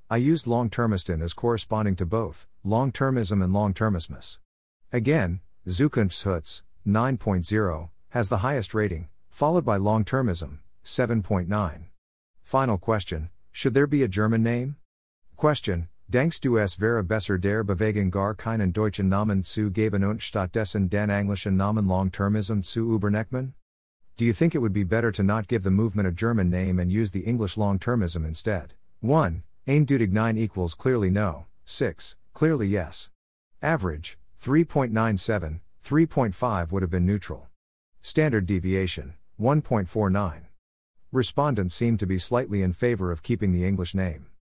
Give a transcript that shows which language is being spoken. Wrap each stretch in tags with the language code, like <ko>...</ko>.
<en>I used Longtermisten as corresponding to both, Longtermism and Longtermismus. Again, Zukunftshutz, 9.0, has the highest rating, followed by Longtermism, 7.9. Final question, should there be a German name?</en> <de>Question, denkst du es wäre besser der Bewegen gar keinen deutschen Namen zu geben und stattdessen den englischen Namen Longtermism zu übernehmen?</de> <en>Do you think it would be better to not give the movement a German name and use the English Longtermism instead? 1. Eindeutig 9 equals clearly no, 6, clearly yes. Average, 3.97, 3.5 would have been neutral. Standard deviation, 1.49. Respondents seem to be slightly in favor of keeping the English name.</en>